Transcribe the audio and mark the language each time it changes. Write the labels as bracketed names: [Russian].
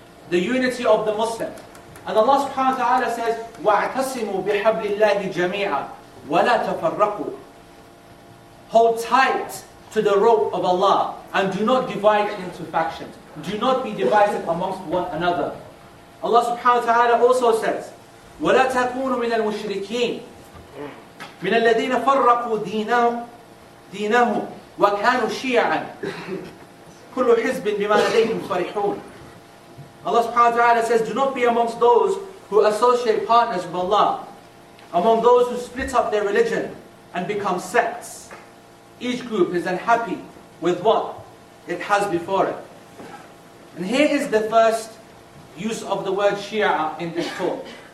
[English] The unity of the Muslim. And Allah subhanahu wa ta'ala says, [Arabic] وَاعْتَصِمُوا بِحَبْلِ اللَّهِ جَمِيعًا وَلَا تَفَرَّقُوا. [English] Hold tight to the rope of Allah and do not divide into factions. Do not be divided amongst one another. Allah subhanahu wa ta'ala also says, [Arabic] وَلَا تَكُونُوا مِنَ الْمُشْرِكِينَ مِنَ الَّذِينَ فَرَّقُوا دِينَهُ وَكَانُوا شِيَعًا كُلُّ حِزْبٍ بِمَا لَدَيْهِمْ فَرِحُونَ. [English] Allah subhanahu wa ta'ala says, do not be amongst those who associate partners with Allah, among those who split up their religion and become sects. Each group is unhappy with what it has before it. And here is the first use of the word Shia in this talk.